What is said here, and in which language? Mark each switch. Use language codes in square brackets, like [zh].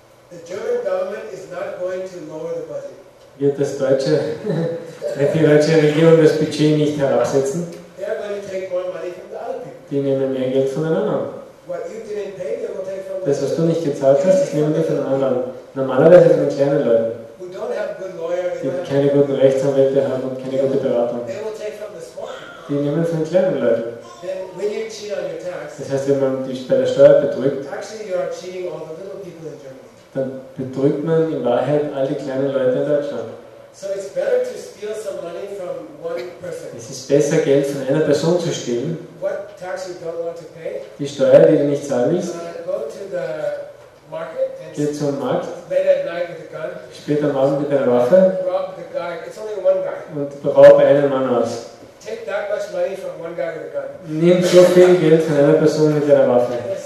[en] The German government is not going to lower the budget. [de] Wird das deutsche, die deutsche Regierung das Budget nicht herabsetzen? [en] They're going to take more money from the other people. [de] Die nehmen mehr Geld von den anderen. [en] What you didn't pay, they will take from [de] das, was du nicht gezahlt hast, das nehmen wir von den anderen. Normalerweise von den kleinen Leuten, [en] who don't have good lawyers, [de] die keine guten Rechtsanwälte haben und keine gute Beratung. [en] They will take from the small. [de] Die nehmen von den kleinen Leuten. [en] Then when you cheat on your tax, [de] das heißt, wenn man dich bei der Steuer betrügt, [en] actually you are cheating all the little people in Germany. [de] Dann betrügt man in Wahrheit alle kleinen Leute in Deutschland. [en] So it's better to steal some money from one person. [de] Es ist besser, Geld von einer Person zu stehlen. [en] What tax you don't want to pay? [de] Die Steuer, die du nicht zahlen willst. [en] Go to the market and [de] geh zum Markt. [en] Late at night with a gun. [de] Später am Abend mit einer Waffe. [en] Rob the guy. It's only one guy. [de] Und beraube einen Mann aus. [en] Take that much money from one guy with a gun. [de] Nimm so viel Geld von einer Person mit einer Waffe.